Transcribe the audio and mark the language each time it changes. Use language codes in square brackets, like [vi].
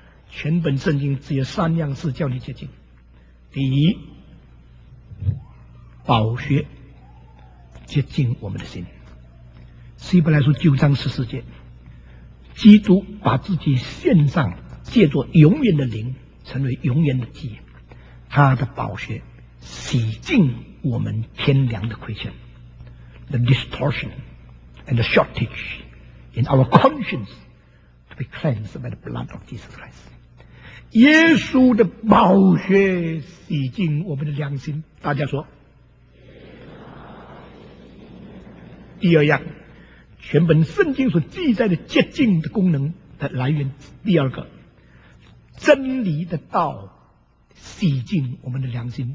[zh] 全本圣经只有三样事叫你洁净。第一，宝血洁净我们的心。希伯来书九章十四节，基督把自己献上，借着永远的灵成为永远的祭，他的宝血洗净我们天良的亏欠。 [en] The distortion and the shortage in our conscience to be cleansed by the blood of Jesus Christ。 [zh] 耶稣的宝血洗净我们的良心。大家说，第二样，全本圣经所记载的洁净的功能的来源，第二个，真理的道洗净我们的良心。